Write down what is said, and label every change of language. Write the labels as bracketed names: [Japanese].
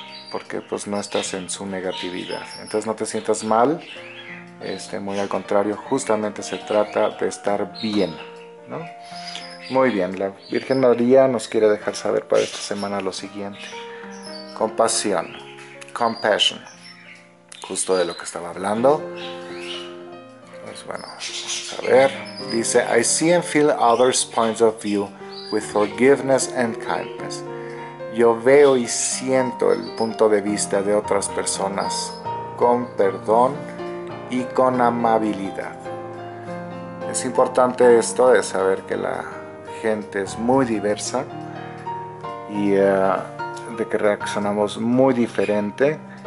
[Spanish] Porque pues no estás en su negatividad. Entonces no te sientas mal, muy al contrario, justamente se trata de estar bien, ¿no? Muy bien, la Virgen María nos quiere dejar saber para esta semana lo siguiente. Compasión, compassion, justo de lo que estaba hablando. Pues bueno, vamos a ver. Dice, [English] I see and feel others' points of view with forgiveness and kindness. [Spanish] Yo veo y siento el punto de vista de otras personas con perdón y con amabilidad. Es importante esto de saber que la gente es muy diversa y de que reaccionamos muy diferente.